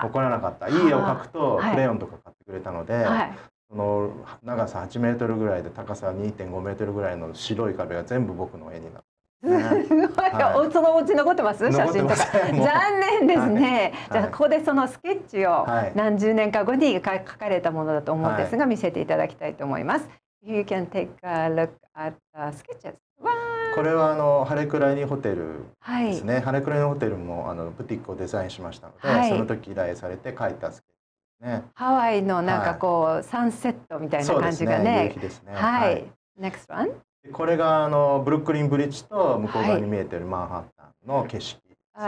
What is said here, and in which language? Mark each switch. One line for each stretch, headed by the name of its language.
Japanese: はい、怒らなかった。いい絵を描くとクレヨンとか買ってくれたので、はい、その長さ8メートルぐらいで高さ 2.5 メートルぐらいの白い壁が全部僕の絵になった。すごい、はい、そのお家残ってます？写真とか。残念ですね。はい、じゃあここでそのスケッチを何十年か後に描かれたものだと思うんですが、見せていただきたいと思います。
English: はい、you can take a look at the sketches.
Japanese: これはハレクライニホテルですね。はい、ハレクライニホテルもブティックをデザインしましたので、はい、その時依頼されて描いたスケッチですね。ハワイのなんかこう、はい、サンセットみたいな感じがね。そうですね。夕日ですね。
English: はい。Next one.
Japanese: これがブルックリンブリッジと向こう側に見えているマンハッタンの景色ですね。